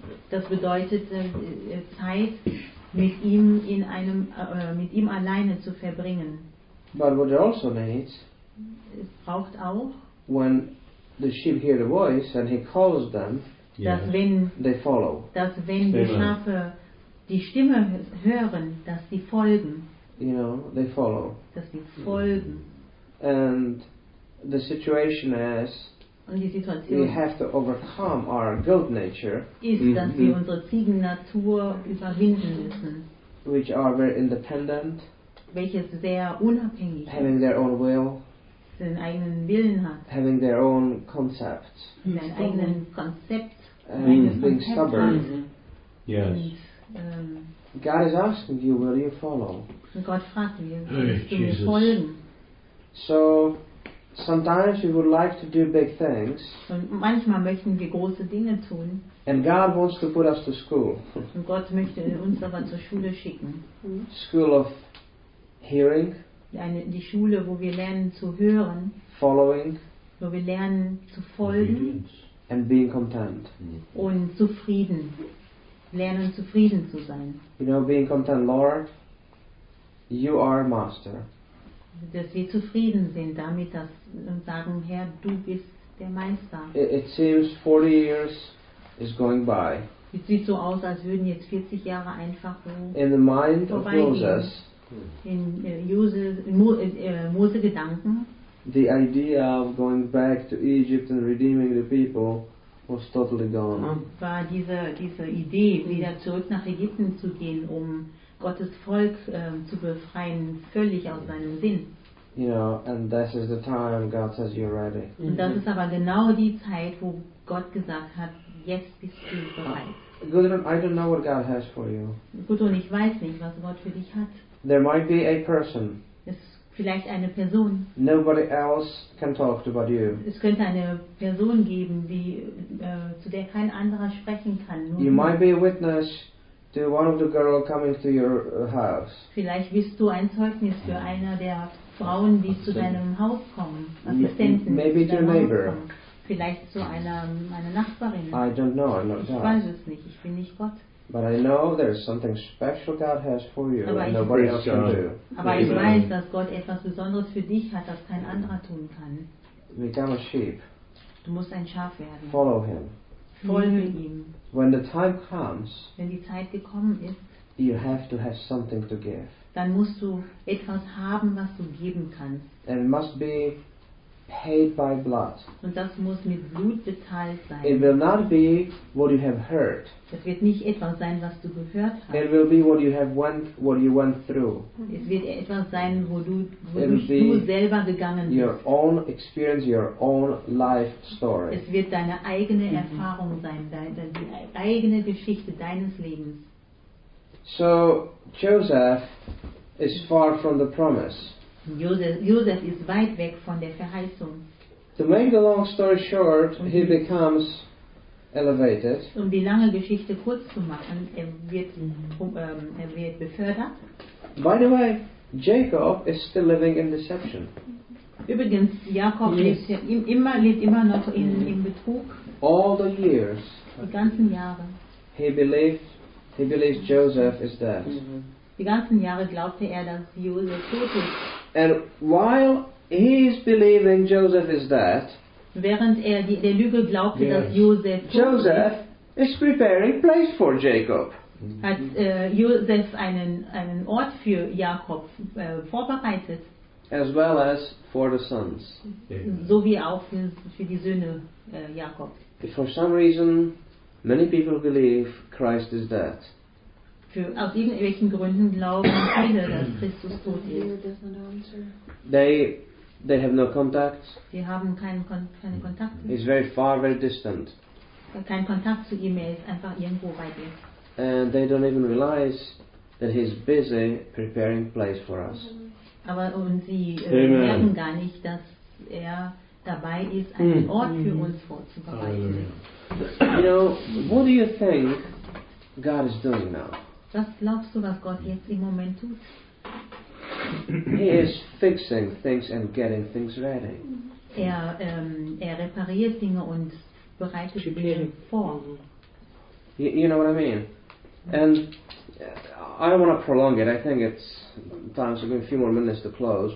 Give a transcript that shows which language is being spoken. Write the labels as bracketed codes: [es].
[de] Das bedeutet Zeit mit ihm in einem mit ihm alleine zu verbringen. [en] But what it also needs. [de] Es braucht auch. [en] When the sheep hear the voice and he calls them. Yes. [de] Dass wenn [en] they follow. [de] Dass wenn Amen. Die Schafe die Stimme hören, dass sie folgen. [en] You know, they follow. [de] Dass sie folgen. [en] And the situation is We have to overcome our goat nature, [de] dass wir unsere Ziegennatur überwinden müssen, [en] which are very independent, [de] welches sehr unabhängig ist, [en] having their own will, [de] seinen eigenen Willen hat, [en] having their own concept, [de] seinen eigenen Konzept, [en] being stubborn. Yes. God is asking you, will you follow? [de] Gott fragt mich, willst du mir folgen? [en] So sometimes we would like to do big things. [de] Und manchmal möchten wir große Dinge tun. [en] And God wants to put us to school. [de] Und Gott möchte uns aber zur Schule schicken. [en] School of hearing. [de] Die Schule, wo wir lernen zu hören. [en] Following. [de] Wo wir lernen zu folgen. [en] And being content. [de] Und zufrieden. Lernen zufrieden zu sein. [en] You know, being content, Lord, you are master. [de] Dass wir zufrieden sind damit, dass wir sagen, Herr, du bist der Meister. [en] It seems 40 years is going by. [de] Es sieht so aus, als würden jetzt 40 Jahre einfach so vorbeigehen. [en] In the mind of Moses. [de] In Mose Gedanken. [en] The idea of going back to Egypt and redeeming the people was totally gone. [de] War diese Idee, wieder zurück nach Ägypten zu gehen, um Gottes Volk zu befreien, völlig aus seinem Sinn. [en] You know, and this is the time God says you're ready. [de] Und das ist aber genau die Zeit, wo Gott gesagt hat, jetzt bist du bereit. [en] Gudrun, I don't know what God has for you. [de] Gudrun, ich weiß nicht, was Gott für dich hat. [en] There might be a person. [de] Es vielleicht eine Person. [en] Nobody else can talk about you. [de] Es könnte eine Person geben, die zu der kein anderer sprechen kann. [en] You might be a witness to one of the girl coming to your house. [de] Vielleicht bist du ein Zeugnis für eine der Frauen, die zu deinem Haus kommen. Assistenten. [en] Maybe to a neighbor. [de] Vielleicht zu einer Nachbarin. [en] I don't know, I'm not God. [de] Ich weiß es nicht, ich bin nicht Gott. [en] But I know there's something special God has for you and nobody else can do. [de] Aber ich weiß, dass Gott etwas Besonderes für dich hat, das kein anderer tun kann. [en] Become a sheep. [de] Du musst ein Schaf werden. [en] Follow him. [de] Folge ihm. [en] When the time comes, [de] wenn die Zeit gekommen ist, [en] you have to have something to give. [de] Dann musst du etwas haben, was du geben kannst. [en] And it must be paid by blood. [de] Und das muss mit Blut bezahlt sein. [en] It will not be what you have heard. [de] Es wird nicht etwas sein, was du gehört hast. [en] It will be what you have went, what you went through. [de] Es wird etwas sein, wo du selber gegangen bist. [en] Your own experience, your own life story. [de] Es wird deine eigene Erfahrung sein, deine eigene Geschichte deines Lebens. [en] So Joseph is far from the promise. [de] Josef ist weit weg von der Verheißung. [en] To make the long story short, he becomes elevated. [de] Um die lange Geschichte kurz zu machen, er wird befördert. [en] By the way, Jacob is still living in deception. [de] Übrigens, Jakob lebt immer noch in Betrug. [en] All the years. [de] Die ganzen Jahre. [en] He believes Joseph is dead. [de] Die ganzen Jahre glaubte er, dass Josef tot ist. [en] And while he is believing Joseph is dead, [de] während er der Lüge glaubte, dass Joseph [en] is preparing place for Jacob. [de] Hat Joseph einen Ort für Jakob vorbereitet. [en] As well as for the sons. [de] So wie auch für die Söhne Jakob. [en] If for some reason, many people believe Christ is dead. [de] Aus irgendwelchen Gründen glauben viele, dass Christus tot ist. [en] They have no contact. [de] Sie haben keine Kontakte. [en] He's very far, very distant. [de] Kein Kontakt zu ihm, er ist einfach irgendwo weit weg. [en] And they don't even realize that he's busy preparing place for us. [de] Aber und sie merken gar nicht, dass er dabei ist, einen Ort für uns vorzubereiten. [en] You know, what do you think God is doing now? [de] Was glaubst du, was Gott jetzt im Moment tut? [en] He is fixing things and getting things ready. [de] Er repariert Dinge und bereitet Dinge vor. [en] You know what I mean? And I don't want to prolong it. I think it's time to give a few more minutes to close.